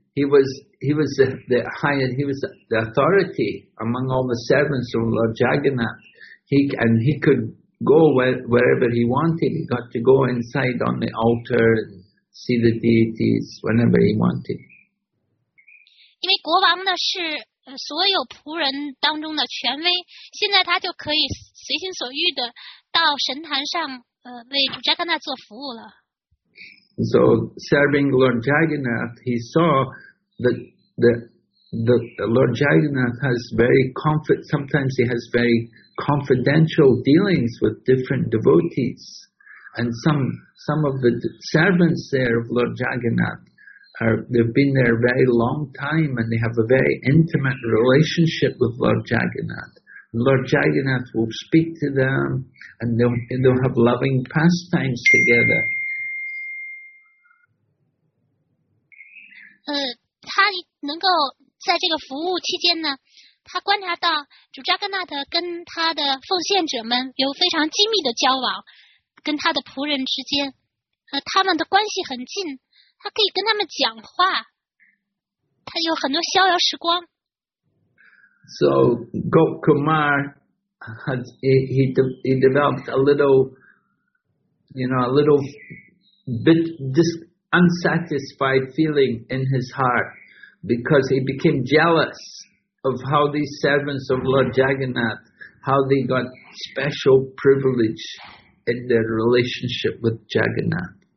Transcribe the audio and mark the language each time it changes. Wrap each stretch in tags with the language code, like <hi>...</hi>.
<en>He was the authority among all the servants of Lord Jagannath. He could go wherever he wanted. He got to go inside on the altar and see the deities whenever he wanted.</en> <zh>因为国王呢是所有仆人当中的权威，现在他就可以随心所欲的到神坛上为主 Jagannath 做服务了。</zh> <en>So serving Lord Jagannath, he saw that the Lord Jagannath has very confident. Sometimes he has very confidential dealings with different devotees, and some of the servants there of Lord Jagannath they've been there a very long time, and they have a very intimate relationship with Lord Jagannath. Lord Jagannath will speak to them, and they'll have loving pastimes together.</en> <zh>他能够在这个服务期间呢，他观察到主扎格纳特跟他的奉献者们有非常亲密的交往，跟他的仆人之间，他们的关系很近，他可以跟他们讲话，他有很多逍遥时光。</zh> <en>So Gop Kumar has he developed a little, you know, a little bit just unsatisfied feeling in his heart because he became jealous. Of how these servants of Lord Jagannath, how they got special privilege in their relationship with Jagannath.</en>